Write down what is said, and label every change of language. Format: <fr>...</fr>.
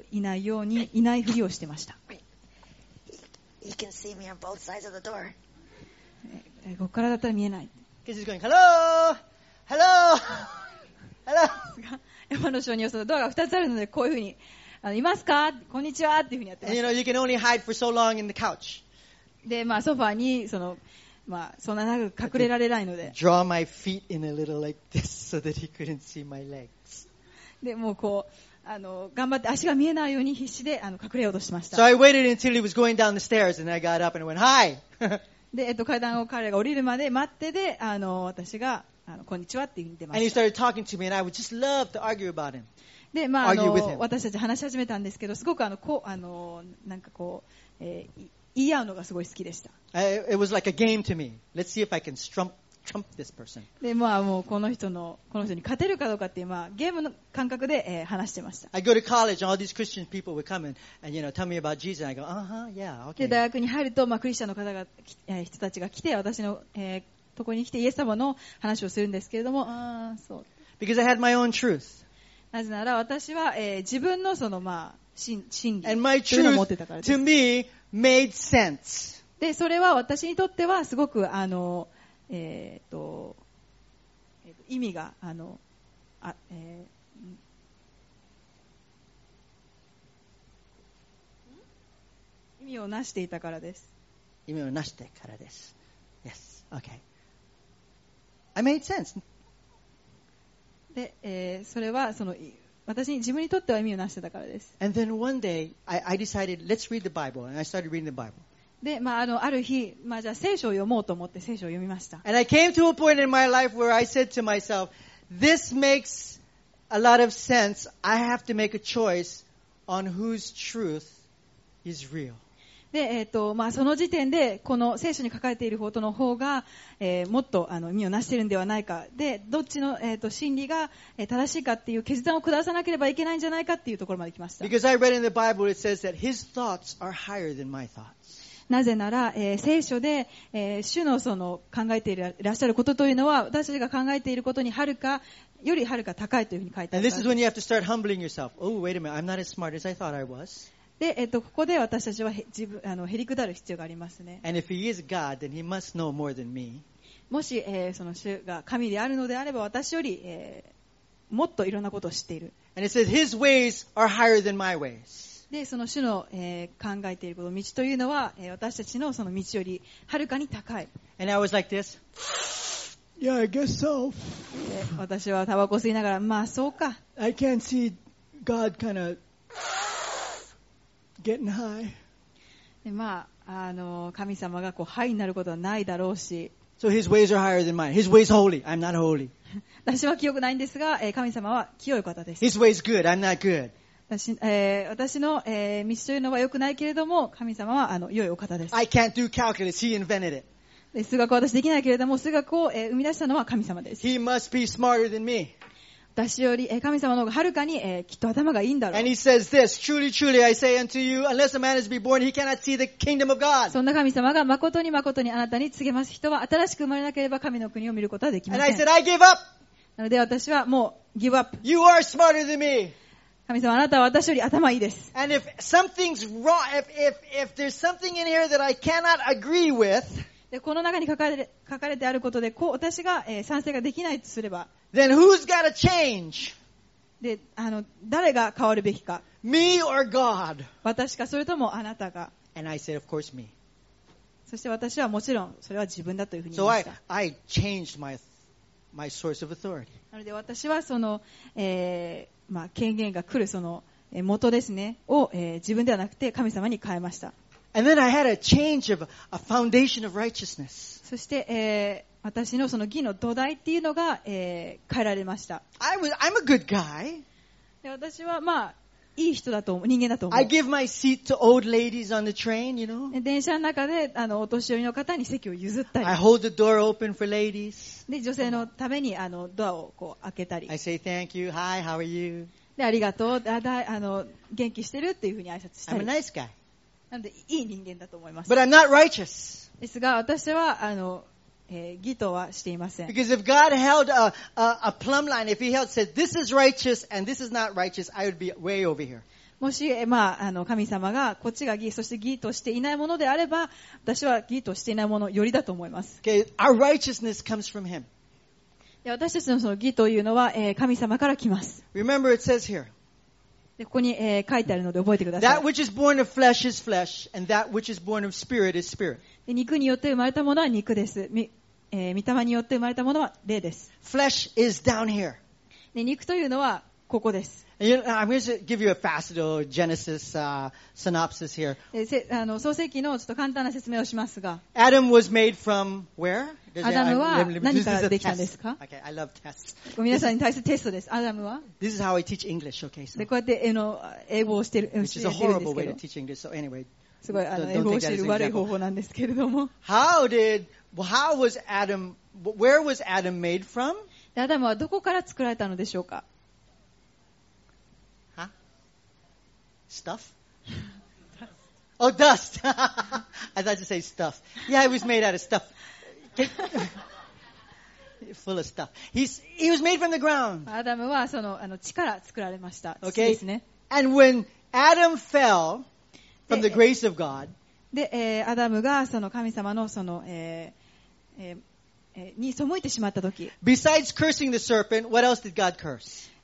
<ja>で、いないように、いないふりをしてました。</ja> <en>He can see me on both sides of the door.</en> <ja>ここからだったら見えない。</ja> <en>Because he's going, hello! Hello! Hello!</en> <ja>エホバの証人はドアが2つあるので、こういうふうに。あのいますか？こんにちはっていうふうにやってます。</ja> <en>You know, you can only hide for so long in the couch.</en> <ja>で、まあソファーにそのまあそんな長く隠れられないので。</ja> <en>Draw my feet in a little like this so that he couldn't see my legs.</en> <ja>で、もうこうあの頑張って足が見えないように必死であの隠れようとしました。</ja> <en>So I waited until he was going down the stairs and I got up and went hi.</en> <ja>で、階段を彼が降りるまで待ってで、あの私があのこんにちはっていうふうに出ました。</ja> <en>And he started talking to me and I would just love to argue about him.</en> <ja>で、まあ、あの、私たち話し始めたんですけど、すごくあの、こう、あの、なんかこう、言い合うのがすごい好きでした。</ja> <en>It was like a game to me. Let's see if I can trump this person.</en> <ja>で、まあ、もう、この人に勝てるかどうかっていう、まあ、ゲームの感覚で、話してました。</ja> <en>I go to college and all these Christian people would come and, you know, tell me about Jesus and I go, uh-huh, yeah, okay.</en> <ja>で、大学に入ると、まあ、クリスチャンの方が、人たちが来て、私の、ところに来て、イエス様の話をするんですけれども、ああ、そう。</ja> <en>Because I had my own truth.</en> <ja>なぜなら私は、自分のそのまあ真理というのを持ってたからです。</ja> <en>And my truth to me made sense.</en> <ja>でそれは私にとってはすごくあの意味があのあ、意味をなしていたからです。意味をなしてからです。</ja> <en>Yes. Okay. I made sense.</en> <ja>で、それはその私に自分にとっては意味をなしてたからです。</ja> <en>And then one day I decided let's read the Bible and I started reading the Bible.</en> <ja>で、まあ、あの、ある日、まあ、じゃあ聖書を読もうと思って聖書を読みました。</ja> <en>And I came to a point in my life where I said to myself, this makes a lot of sense. I have to make a choice on whose truth is real.</en> <ja>で、まあ、その時点で、この聖書に書かれている方との方が、もっと、あの、意味を成してるんではないか。で、どっちの、真理が、正しいかっていう決断を下さなければいけないんじゃないかっていうところまで来ました。</ja> <en>Because I read in the Bible, it says that his thoughts are higher than my thoughts.</en> <ja>なぜなら、聖書で、主のその、考えていらっしゃることというのは、私たちが考えていることにはるか、よりはるか高いというふうに書いてあります。</ja> <en>And this is when you have to start humbling yourself. Oh, wait a minute, I'm not as smart as I thought I was.</en> <ja>で、ここで私たちは自分あのへりくだる必要がありますね。</ja> <en>And if he is God, then he must know more than me.</en> <ja>もし、その主が神であるのであれば私より、もっといろんなことを知っている。</ja> <en>And it says his ways are higher than my ways.</en> <ja>で、その主の、考えていること道というのは、私たちのその道よりはるかに高い。</ja> <en>And I was like this. Yeah, I guess so.</en> <ja>で、私はタバコ吸いながらまあそうか。</ja> <en>I can't see God kind of. Getting high.</en> <ja>でまあ、あの神様がこうハイになることはないだろうし。</ja> <en>So his ways are higher than mine. His ways holy. I'm not holy.</en> <ja>私は清くないんですが、神様は清い方です。</ja> <en>His ways good. I'm not good.</en> <ja>私の、道というのは良くないけれども、神様はあの良いお方です。</ja> <en>I can't do calculus. He invented it.</en> <ja>で数学は私できないけれども、数学を、生み出したのは神様です。</ja> <en>He must be smarter than me.</en> <ja>私より神様の方がはるかにきっと頭がいいんだろう。</ja> <en>And he says this, truly, truly, I say unto you, unless a man is be born, he cannot see the kingdom of God.</en> <ja>そんな神様が誠に誠にあなたに告げます。人は新しく生まれなければ神の国を見ることはできません。</ja> <en>And I said, I give up.</en> <ja>なので私はもう</ja> <en>give up. You are smarter than me.</en> <ja>神様あなたは私より頭いいです。</ja> <en>And if something's wrong, if there's something in here that I cannot agree with,</en> <ja>でこの中に書かれてあることでこう私が、賛成ができないとすれば</ja> <en>Then who's gotta change?</en> <ja>であの誰が変わるべきか</ja> <en>Me or God?</en> <ja>私かそれともあなたか</ja> <en>And I said, of course, me.</en> <ja>そして私はもちろんそれは自分だというふうに言いました</ja> <en>So I changed my source of authority.</en> <ja>なので私はその、まあ、権限が来るその元ですねを、自分ではなくて神様に変えました</ja> <en>And then I had a change of a foundation of righteousness.</en> <ja>そして、私のその義の土台っていうのが、変えられました。</ja> <en>I'm a good guy.</en> <ja>で私はまあいい人だと思う、人間だと思う。</ja> <en>I give my seat to old ladies on the train, you know.</en> <ja>電車の中で、あの、お年寄りの方に席を譲ったり。</ja> <en>I hold the door open for ladies.</en> <ja>で、女性のために、あの、ドアをこう開けたり。</ja> <en>I say thank you. Hi, how are you?</en> <ja>で、ありがとう。あの、元気してるっていうふうに挨拶したり。</ja> <en>I'm a nice guy.</en> <ja>なんで、いい人間だと思います。</ja> <en>But I'm not righteous.</en> <ja>ですが、私は、あの、義とはしていません。</ja> <en>Because if God held a plumb line, if He held said this is righteous and this is not righteous, I would be way over here.</en> <ja>もし、まあ、あの神様がこっちが義、そして義としていないものであれば、私は義としていないものよりだと思います。</ja> <en>Okay, our righteousness comes from Him.</en> <ja>いや、私たちのその義というのは、神様から来ます。</ja> <en>Remember, it says here.</en> <ja>でここに、書いてあるので覚えてください。</ja> <en>That which is born of flesh is flesh, and that which is born of spirit is spirit.</en> <ja>肉によって生まれたものは肉です。御霊によって生まれたものは霊です。</ja> <en>Flesh is down here.</en> <ja>で肉というのはここです。</ja> <en>You know, I'm going to give you a fast little Genesis synopsis here.</en> <ja>あの創世記のちょっと簡単な説明をしますが。</ja> <en>Adam was made from where?</en> <ja>アダムは何からできたんですか？</ja> <en>Okay, I love tests.</en> <ja>皆さんに対するテストです。アダムは？</ja> <en>This is how I teach English, okay?</en> <ja>でこうやって英語をしてるんですけど。</ja> <en>Which is a horrible way to teach English. So anyway.</en> <ja>すごい、あの、英語を知る悪い方法なんですけれども。</ja> <en>Where was Adam made from?</en> <ja>アダムはどこから作られたのでしょうか？</ja> <en>Huh? Stuff? Oh, dust! I thought you'd say stuff. Yeah, he was made out of stuff. Full of stuff. He was made from the ground.</en> <ja>アダムはその、あの、地から作られました。</ja> <en>Okay.</en> <ja>ですね。</ja> <en>And when Adam fell,From the grace of God.</en> <ja>で、アダムがその神様のその、に背いてしまったとき。</ja> <en>Besides cursing the serpent, what else did God curse?</en>